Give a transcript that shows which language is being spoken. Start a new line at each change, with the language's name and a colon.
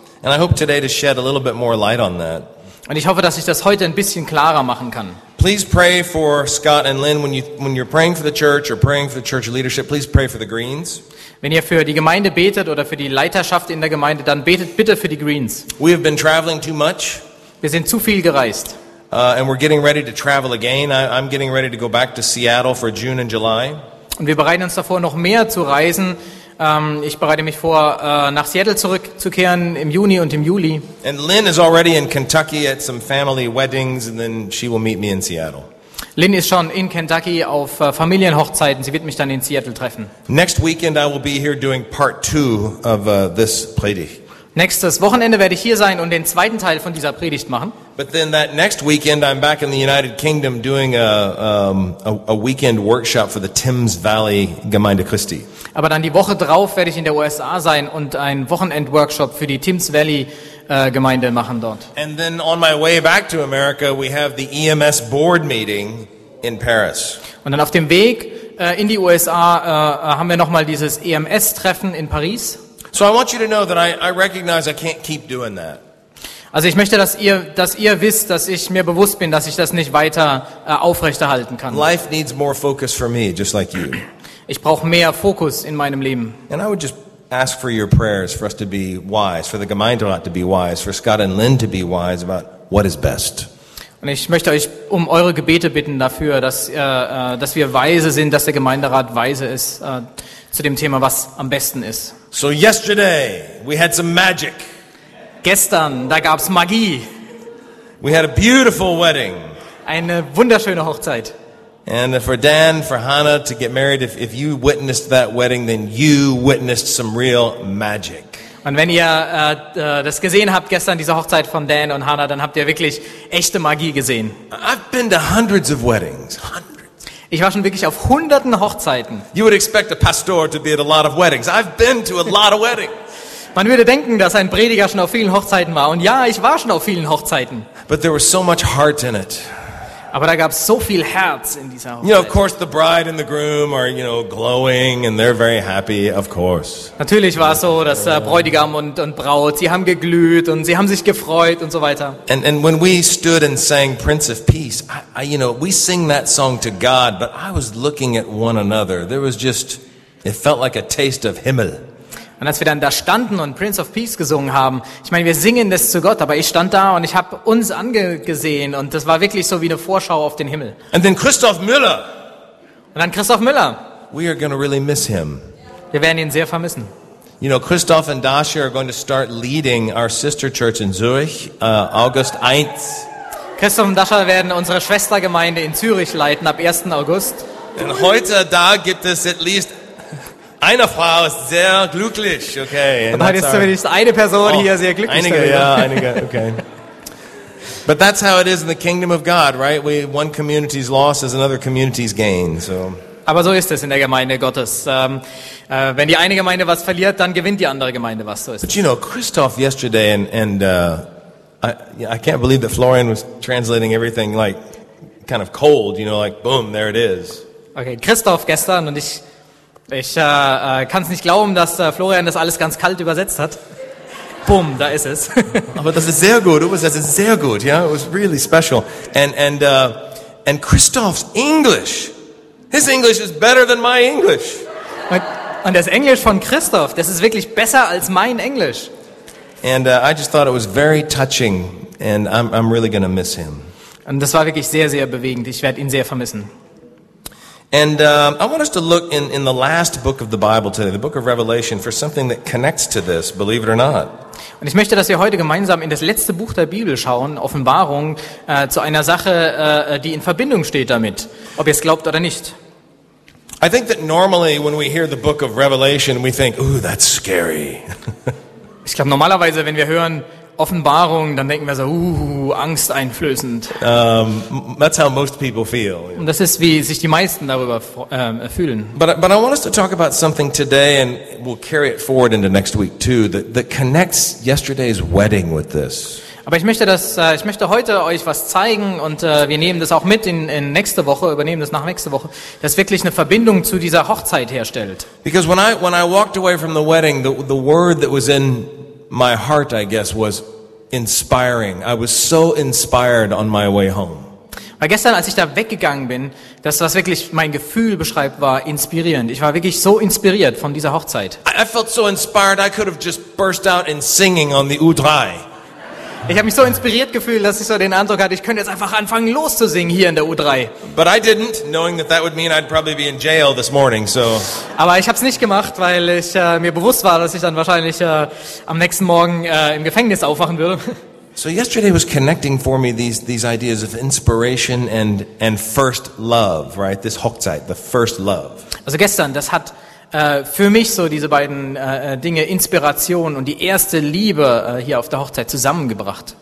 English: And I hope today to shed a little bit more light on that.
German: Und ich hoffe, dass ich das heute ein bisschen klarer machen kann.
English: Please pray for Scott and Lynn when you're praying for the church or praying for the church leadership. Please pray for the Greens.
German: Wenn ihr für die Gemeinde betet oder für die Leiterschaft in der Gemeinde, dann betet bitte für die Greens.
English: We have been traveling too much.
German: Wir sind zu viel gereist.
English: And we're getting ready to travel again. I'm getting ready to go back to Seattle for June and July.
German: Und wir bereiten uns davor, noch mehr zu reisen. Ich bereite mich vor, nach Seattle zurückzukehren im Juni und im Juli.
English: And Lynn is already in Kentucky at some family weddings, and then she will meet me in Seattle.
German: Lynn ist schon in Kentucky auf Familienhochzeiten. Sie wird mich dann in Seattle treffen.
English: Next weekend I will be here doing part two of this Predigt.
German: Nächstes Wochenende werde ich hier sein und den zweiten Teil von dieser Predigt machen.
English: But then that next weekend I'm back in the United Kingdom doing a weekend workshop for the Thames Valley Gemeinde Christi.
German: Aber dann die Woche drauf werde ich in der USA sein und einen Wochenendworkshop für die Thames Valley Gemeinde machen dort.
English: And then on my way back to America we have the EMS board meeting in Paris.
German: Und dann auf dem Weg in die USA haben wir noch mal dieses EMS Treffen in Paris.
English: So I want you to know that I recognize I can't keep doing that.
German: Also ich möchte, dass ihr wisst, dass ich mir bewusst bin, dass ich das nicht weiter aufrechterhalten kann.
English: Life needs more focus for me, just like you.
German: Ich brauche mehr Fokus in meinem Leben.
English: And I would just ask for your prayers for us to be wise, for the Gemeinderat to be wise, for Scott and Lynn to be wise about what is best.
German: Und ich möchte euch um eure Gebete bitten dafür, dass wir weise sind, dass der Gemeinderat weise ist zu dem Thema, was am besten ist.
English: So yesterday we had some magic.
German: Gestern, da gab's Magie.
English: We had a beautiful wedding.
German: Eine wunderschöne Hochzeit.
English: And for Dan, for Hannah to get married, if you witnessed that wedding, then you witnessed some real magic.
German: Und wenn ihr das gesehen habt gestern, diese Hochzeit von Dan und Hannah, dann habt ihr wirklich echte Magie gesehen.
English: I've been to hundreds of weddings. Hundreds.
German: Ich war schon wirklich auf hunderten Hochzeiten.
English: You would expect a pastor to be at a lot of weddings. I've been to a lot of weddings.
German: Man würde denken, dass ein Prediger schon auf vielen Hochzeiten war. Und ja, ich war schon auf vielen Hochzeiten.
English: But there was so much heart in it.
German: Aber da gab es so viel Herz in dieser Hochzeit.
English: You know, of course, the bride and the groom are, you know, glowing and they're very happy, of course.
German: Natürlich war es so, dass Bräutigam und Braut, sie haben geglüht und sie haben sich gefreut und so weiter.
English: And when we stood and sang Prince of Peace, I, you know, we sing that song to God, but I was looking at one another. There was just, it felt like a taste of Himmel.
German: Und als wir dann da standen und Prince of Peace gesungen haben, ich meine, wir singen das zu Gott, aber ich stand da und ich habe uns angesehen und das war wirklich so wie eine Vorschau auf den Himmel.
English: And then Christoph Müller.
German: Und dann Christoph Müller.
English: We are going to really miss him.
German: Wir werden ihn sehr vermissen.
English: You know, Christoph and Dasha are going to start leading our sister church in Zürich, August 1.
German: Christoph und Dasha werden unsere Schwestergemeinde in Zürich leiten ab 1. August. Und heute da gibt es
English: at least
German: eine Frau ist sehr glücklich, okay. Und heute ist zumindest eine Person hier sehr glücklich. Einige, ja, einige, okay.
English: But that's how it is in the kingdom of God, right? We, one community's loss is another community's gain, so.
German: Aber so ist es in der Gemeinde Gottes. Wenn die eine Gemeinde was verliert, dann gewinnt die andere Gemeinde was. So ist
English: But you know, Christoph yesterday, and I can't believe that Florian was translating everything like kind of cold, you know, like boom, there it is.
German: Okay, Christoph gestern und ich... Ich kann es nicht glauben, dass Florian das alles ganz kalt übersetzt hat. Boom, da ist es. Aber das ist sehr gut. Das ist sehr gut. Ja,
English: yeah? It was really special. And Christoph's English, his English is better than my English.
German: Und das Englisch von Christoph, das ist wirklich besser als mein Englisch.
English: And I just thought it was very touching, and I'm really gonna miss him.
German: Und das war wirklich sehr, sehr bewegend. Ich werde ihn sehr vermissen.
English: And I want us to look in the last book of the Bible today, the book of Revelation, for something that connects to this, believe it or not.
German: Und ich möchte, dass wir heute gemeinsam in das letzte Buch der Bibel schauen, Offenbarung, zu einer Sache, die in Verbindung steht damit, ob ihr es glaubt oder nicht.
English: I think that normally when we hear the book of Revelation, we think, ooh, that's scary.
German: Ich glaube, normalerweise, wenn wir hören Offenbarung, dann denken wir so, angsteinflößend.
English: That's how most people feel.
German: Und das ist, wie sich die meisten darüber fühlen.
English: But I want us to talk about something today, and we'll carry it forward into next week too, that connects yesterday's wedding with this.
German: Aber ich möchte heute euch was zeigen, und wir nehmen das auch mit in nächste Woche, übernehmen das nach nächste Woche, dass wirklich eine Verbindung zu dieser Hochzeit herstellt.
English: Because when I walked away from the wedding, the word that was in my heart, I guess, was inspiring. I was so inspired on my way home.
German: Weil gestern, als ich da weggegangen bin, das, was wirklich mein Gefühl beschreibt, war inspirierend. Ich war wirklich so inspiriert von dieser Hochzeit.
English: I felt so inspired, I could have just burst out in singing on the U3.
German: Ich habe mich so inspiriert gefühlt, dass ich so den Eindruck hatte, ich könnte jetzt einfach anfangen loszusingen hier in der U3.
English: But I didn't, knowing that would mean I'd probably be in jail this morning, so.
German: Aber ich habe es nicht gemacht, weil ich mir bewusst war, dass ich dann wahrscheinlich am nächsten Morgen im Gefängnis aufwachen würde.
English: So yesterday was connecting for me these ideas of inspiration and first love, right? This Hochzeit, the first love.
German: Also gestern, das hat für mich so diese beiden Dinge, Inspiration und die erste Liebe, hier auf der Hochzeit zusammengebracht.